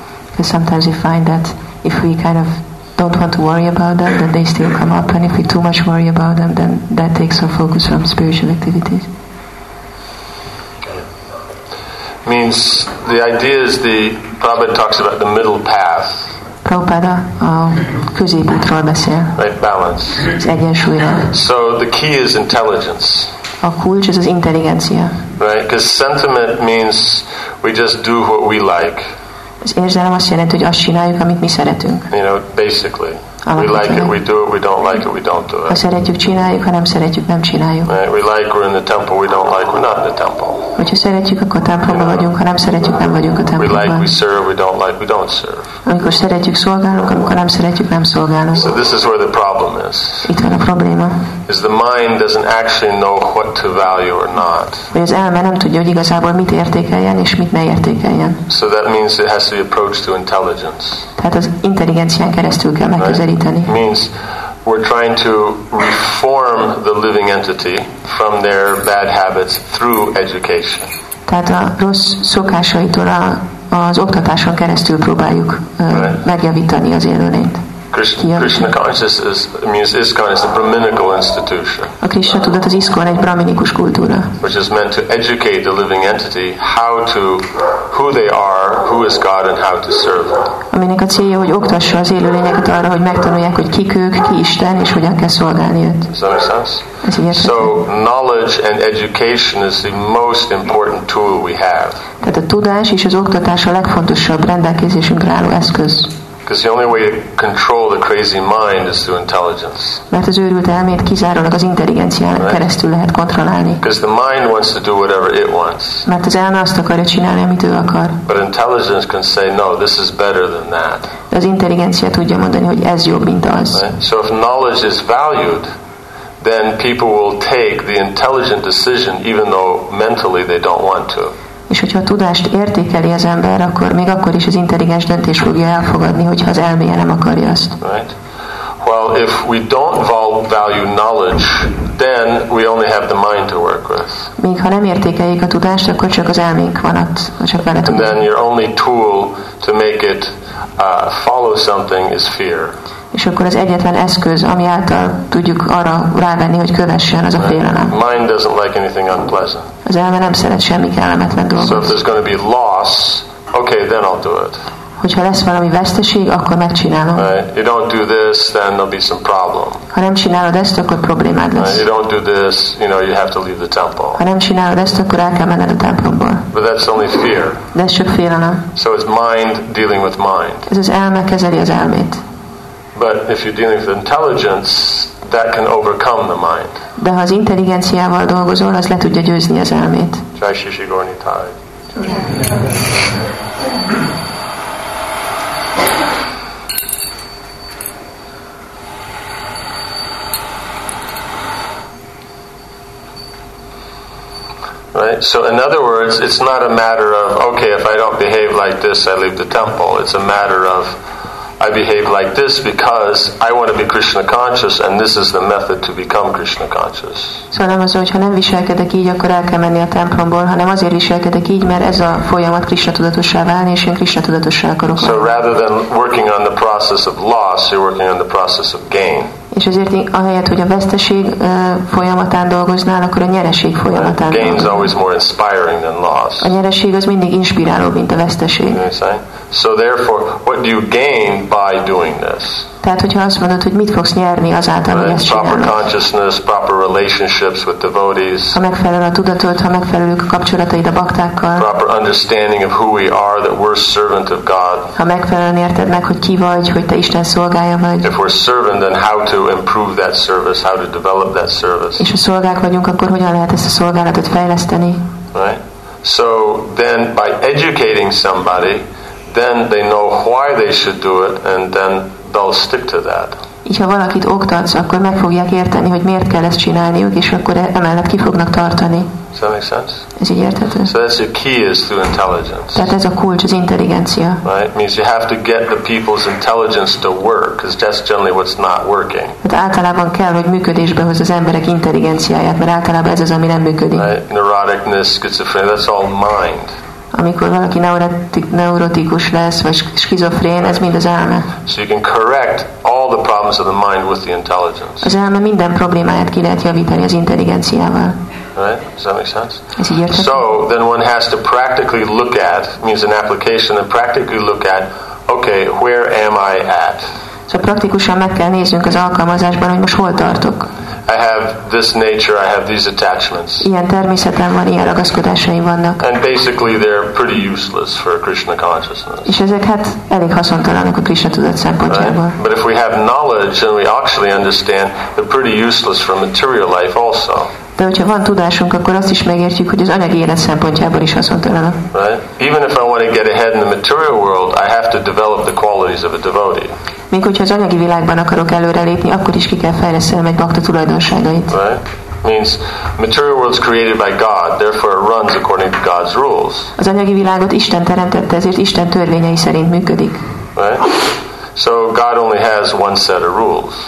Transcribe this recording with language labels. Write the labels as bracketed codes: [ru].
[en] Because sometimes we find that if we kind of don't want to worry about them, then they still come up, and if we too much worry about them, then that takes our focus from spiritual activities. Means the idea is the Prabhupada talks about the middle path. [hu] Prabhupada a középútról beszél. [en] Right, balance. [hu] Az egyensúlyról. [en] So the key is intelligence. [hu] A kulcs az intelligencia. [en] Right, because sentiment means we just do what we like. [hu] Az érzelem azt jelenti, hogy azt csináljuk, amit mi szeretünk. [en] You know, basically. We like it, we do it. We don't like it, we don't do it. [hu] Ha szeretjük, csináljuk, ha nem szeretjük, nem csináljuk. [en] Right, we like, we're in the temple. We don't like, we're not in the temple. [hu] Hogyha szeretjük, akkor templomba vagyunk, ha nem szeretjük, nem vagyunk a templomban. [en] We like, we serve, we don't like, we don't serve. [hu] Amikor szeretjük, szolgálunk, amikor nem szeretjük, nem szolgálunk. [en] So this is where the problem is. [hu] Itt van a probléma. [en] Is the mind doesn't actually know what to value or not. [hu] Az elme nem tudja, hogy igazából mit értékeljen és mit ne értékeljen. [en] So that means it has to be approached through intelligence. [hu] Tehát az intelligencián keresztül kell megközelíteni. [en] Right? Means we're trying to reform the living entity from their bad habits through education. [hu] Tehát a rossz szokásaitól az oktatáson keresztül próbáljuk megjavítani az élőlényt. [en] Krishna consciousness means ISKCON is a brahminical institution. [hu] A Krishna tudat az ISKCON egy brahminikus kultúra. [en] Which is meant to educate the living entity how to, who they are, who is God, and how to serve. [hu] Aminek a célja, hogy oktassa az élőlényeket arra, hogy megtanulják, hogy kik ők, ki Isten, és hogyan kell szolgálni őt. [en] So knowledge and education is the most important tool we have. [hu] Tehát a tudás és az oktatás a legfontosabb rendelkezésünkre álló eszköz. [en] Because the only way to control the crazy mind is through intelligence. [hu] Mert az őrült elmét kizárólag az intelligencián keresztül lehet kontrollálni. [en] Because the mind wants to do whatever it wants. [hu] Mert az elme azt akarja csinálni, amit ő akar. [en] But intelligence can say, no, this is better than that. [hu] De az intelligencia tudja mondani, hogy ez jobb, mint az. [en] Right? So if knowledge is valued, then people will take the intelligent decision, even though mentally they don't want to. [hu] És hogyha a tudást értékeli az ember, akkor még akkor is az intelligens döntés fogja elfogadni, hogyha az elméje nem akarja azt. [en] Right. Well, if we don't value knowledge, then we only have the mind to work with. [hu] Még ha nem értékeljük a tudást, akkor csak az elménk van ott, csak vele tudunk. [en] And then your only tool to make it follow something is fear. [hu] És akkor az egyetlen eszköz, ami által tudjuk arra rávenni, hogy kövessen, az a félelem. [en] Mind doesn't like anything unpleasant. [hu] Az elme nem szeret semmi kellemetlen dolgot. [en] So if there's going to be loss, okay, then I'll do it. [hu] Hogyha lesz valami veszteség, akkor megcsinálom. [en] Right. You don't do this, then there'll be some problem. [hu] Ha nem csinálod ezt, akkor problémád lesz. [en] Right. You don't do this, you know, you have to leave the temple. [hu] Ha nem csinálod ezt, akkor el kell menned a templomból. [en] But that's only fear. [hu] De ez csak félelem. [en] So it's mind dealing with mind. [hu] Ez az elme kezeli az elmét. [en] But if you're dealing with intelligence, that can overcome the mind. [hu] De ha az intelligenciával dolgozol, az le tudja győzni az elmét. [sa] Jai Shri Shri Gaur Nitai. [en] Right? So in other words, it's not a matter of, okay, if I don't behave like this, I leave the temple. It's a matter of I behave like this because I want to be Krishna conscious, and this is the method to become Krishna conscious. [hu] So nem az, hogyha nem viselkedek így, akkor el kell menni a templomból, hanem azért viselkedek így, mert ez a folyamat Krishna tudatossá válni, és én Krishna tudatossá akarok. [en] So rather than working on the process of loss, you're working on the process of gain. [hu] És azért ahelyett, hogy a veszteség folyamatán dolgoznál, akkor a nyereség folyamatán dolgoznál. [en] Gain is always more inspiring than loss. [hu] A nyereség az mindig inspirálóbb, mint a veszteség. [en] So therefore, what do you gain by doing this? [hu] Tehát, hogyha azt mondod, hogy mit fogsz nyerni azáltal, hogy ezt csinálod. [en] Proper consciousness, proper relationships with devotees. [hu] Ha megfelel a tudatod, ha megfelelők a kapcsolataid a baktákkal. [en] Proper understanding of who we are, that we're servant of God. [hu] Ha megfelelően érted meg, hogy ki vagy, hogy te Isten szolgája vagy. [en] If we're servant, then how to improve that service, how to develop that service. [hu] És ha szolgák vagyunk, akkor hogyan lehet ezt a szolgálatot fejleszteni? [en] Right. So then by educating somebody, then they know why they should do it, and then they'll stick to that. [hu] Így ha valakit oktatsz, akkor meg fogják érteni, hogy miért kell ezt csinálniuk, és akkor emellett ki fognak tartani. [en] Does that make sense? [hu] Ez így érthető. [en] So that's the key is through intelligence. [hu] Tehát ez a kulcs, az intelligencia. [en] Right? It means you have to get the people's intelligence to work, because that's generally what's not working. [hu] Hát általában kell, hogy működésbe hoz az emberek intelligenciáját, mert általában ez az, ami nem működik. [en] Right? Neuroticness, schizophrenia, that's all mind. [hu] Amikor valaki neurotikus lesz, vagy skizofrén, ez mind az elme. [en] So you can correct all the problems of the mind with the intelligence. [hu] Az elme minden problémáját ki lehet javítani az intelligenciával. [en] Right? Does that make sense? So then one has to practically look at, means an application, and practically look at, okay, where am I at? [hu] Szóval praktikusan meg kell néznünk az alkalmazásban, hogy most hol tartok. [en] I have this nature, I have these attachments. [hu] Ilyen természetem van, ilyen ragaszkodásaim vannak. [en] And basically they're pretty useless for Krishna consciousness. [hu] És ezek hát elég haszontalanok a Krishna tudat szempontjából. [en] Right? But if we have knowledge, then we actually understand they're pretty useless for material life also. [hu] De hogyha van tudásunk, akkor azt is megértjük, hogy az anyagi élet szempontjából is haszontalanak. [en] Right? Even if I want to get ahead in the material world, I have to develop the qualities of a devotee. [hu] Még hogyha az anyagi világban akarok előrelépni, akkor is ki kell fejlesztenem egy bakta tulajdonságait. [en] Right? Means material world is created by God, therefore it runs according to God's rules. [hu] Az anyagi világot Isten teremtette, ezért Isten törvényei szerint működik. [en] Right? So God only has one set of rules.